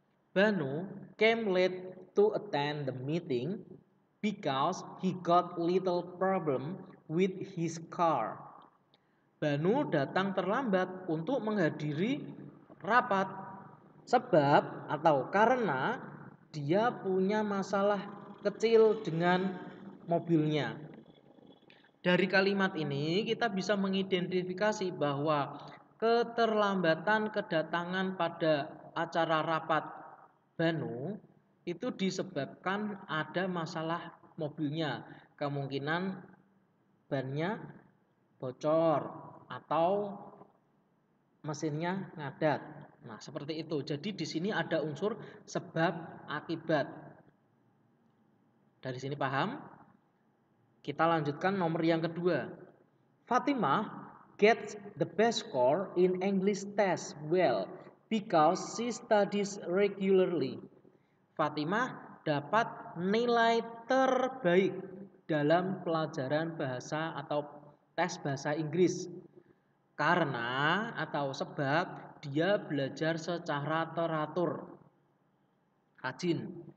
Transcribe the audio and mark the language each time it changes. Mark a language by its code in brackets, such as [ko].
[en] Banu came late to attend the meeting because he got little problem with his car. [id] Banu datang terlambat untuk menghadiri rapat sebab atau karena dia punya masalah kecil dengan mobilnya. Dari kalimat ini kita bisa mengidentifikasi bahwa keterlambatan kedatangan pada acara rapat Banu itu disebabkan ada masalah mobilnya. Kemungkinan bannya bocor atau mesinnya ngadat. Nah, seperti itu. Jadi di sini ada unsur sebab akibat. Dari sini paham? Kita lanjutkan nomor yang kedua. [en] Fatimah gets the best score in English test well because she studies regularly. [id] Fatimah dapat nilai terbaik dalam pelajaran bahasa atau tes bahasa Inggris karena atau sebab dia belajar secara teratur, rajin.